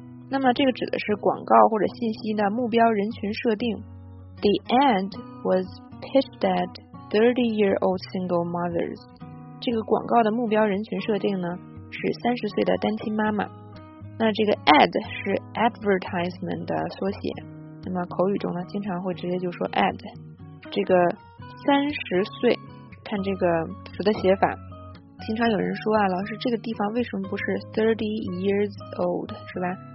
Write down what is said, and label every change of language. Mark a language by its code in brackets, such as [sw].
[zh] 那么这个指的是广告或者信息的目标人群设定。 [en] The ad was pitched at 30-year-old single mothers。 [zh] 这个广告的目标人群设定呢是30岁的单亲妈妈。那这个 ad 是 advertisement 的缩写，那么口语中呢经常会直接就说 ad。这个30岁，看这个词的写法，经常有人说啊，老师这个地方为什么不是 30 years old 是吧。